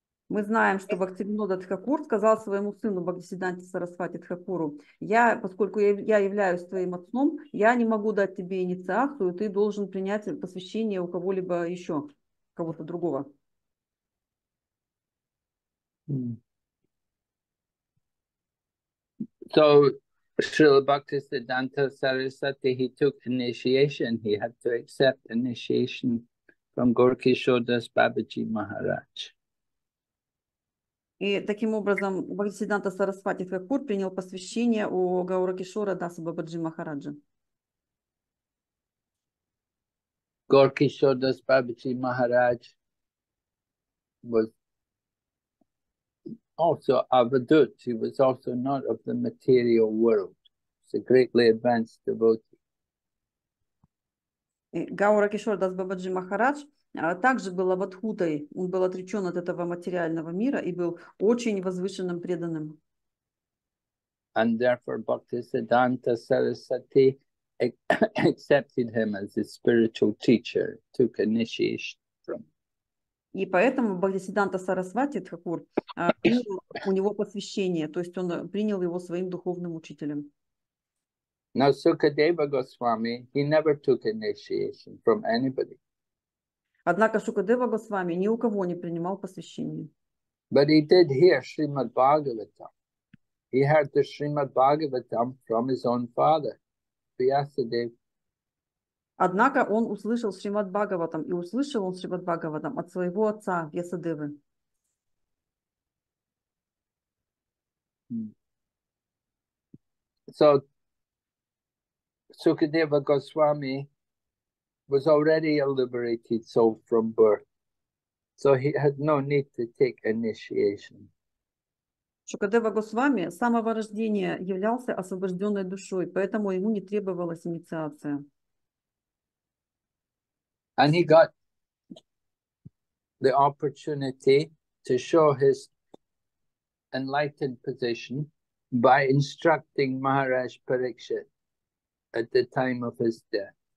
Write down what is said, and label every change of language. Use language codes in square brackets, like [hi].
[ru] Мы знаем, что Бхактивинода Тхакур сказал своему сыну Бхактисиддханте Сарасвати Тхакуру, поскольку я являюсь твоим отцом, я не могу дать тебе инициацию, ты должен принять посвящение у кого-либо еще, кого-то другого. [en] So, Srila Bhaktisiddhanta Sarasvati, he took initiation, he had to accept initiation from Gaurakishordas Babaji Maharaj. [ru] И таким образом Бхактисиддханта Сарасвати Тхакур принял посвящение у Гауракишора Даса Бабаджи Махараджа. [en] Gaurakishordas Babaji Maharaj was also Avadhut. He was also not of the material world. He's a greatly advanced devotee. [ru] Гаура Кишордас Бабаджи Махарадж также был Авадхутой. Он был отречен от этого материального мира и был очень возвышенным преданным. [en] And therefore, Bhaktisiddhanta Sarasati accepted him as his spiritual teacher, took initiation from him. [ru] И поэтому Бхактисиддханта Сарасвати Тхакур принял у него посвящение, то есть он принял его своим духовным учителем. [en] Now, Sukadeva Goswami, he never took initiation from anybody. [ru] Однако Шукадева Госвами ни у кого не принимал посвящение. [en] But he did hear Srimad Bhagavatam. He heard the Srimad Bhagavatam from his own father, Vyasadeva. [ru] Однако он услышал Шримад Бхагаватам, и услышал он Шримад Бхагаватам от своего отца Вьясадевы. [en] So, Sukadeva Goswami was already a liberated soul from birth, so he had no need to take initiation. [ru] Шукадева Госвами с самого рождения являлся освобожденной душой, поэтому ему не требовалась инициация. [en] And he got the opportunity to show his enlightened position by instructing Maharaj Parikshit at the time of his death.